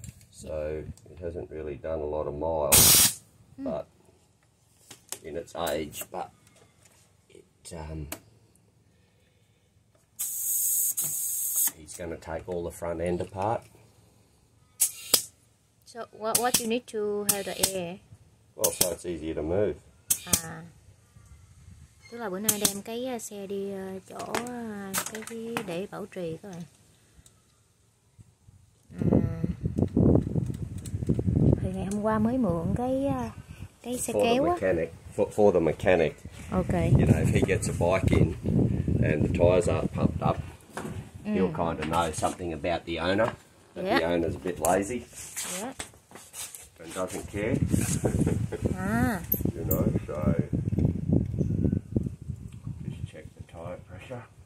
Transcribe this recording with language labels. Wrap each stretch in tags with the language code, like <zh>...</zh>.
<en>So it hasn't really done a lot of miles, but in its age, but it, he's going to take all the front end apart. So what do you need to have the air? Well, so it's easier to move.</en> <vi>Tức là bữa nay đem cái xe đi chỗ cái để bảo trì các bạn. Thì ngày hôm qua mới mượn cái xe</vi> <en>for</en> <vi>kéo</vi> <en>the mechanic, for the mechanic. Okay. You know, if he gets a bike in and the tires aren't pumped up, he'll kind of know something about the owner. Yep. The owner's a bit lazy. Yeah. And doesn't care. Ah. You know, so just check the tire pressure.</en>